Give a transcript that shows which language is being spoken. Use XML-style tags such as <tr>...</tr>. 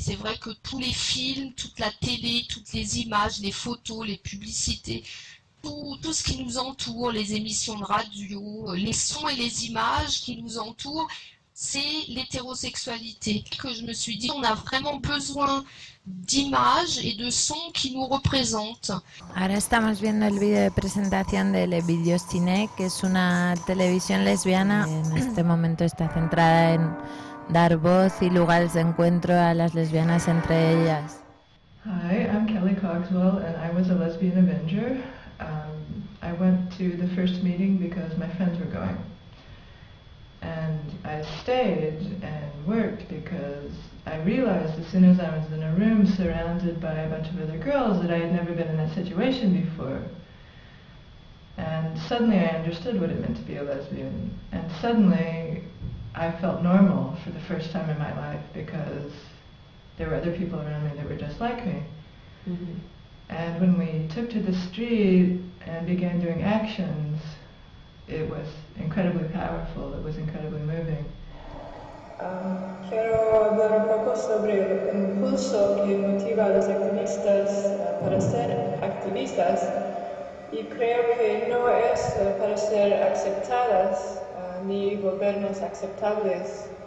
<fr>C'est vrai que tous les films, toute la télé, toutes les images, les photos, les publicités, tout ce qui nous entoure, les émissions de radio, les sons et les images qui nous entourent, c'est l'hétérosexualité. Que je me suis dit, on a vraiment besoin d'images et de sons qui nous représentent.</fr> <es>Ahora estamos viendo el vídeo de presentación de Le Vidéos Ciné, que es una televisión lesbiana. En este momento está centrada en dar voz y lugares de encuentro a las lesbianas entre ellas.</es> <en>Hi, I'm Kelly Cogswell and I was a lesbian Avenger. I went to the first meeting because my friends were going. and I stayed and worked because I realized as soon as I was in a room surrounded by a bunch of other girls that I had never been in that situation before. And suddenly I understood what it meant to be a lesbian. And suddenly I felt normal for the first time in my life because there were other people around me that were just like me. Mm-hmm. And when we took to the street and began doing actions, it was incredibly powerful, it was incredibly moving.</en> <es>Quiero hablar un poco sobre el impulso que motiva a los activistas para ser activistas. Y creo que no es para ser aceptadas ni volvernos aceptables.</es>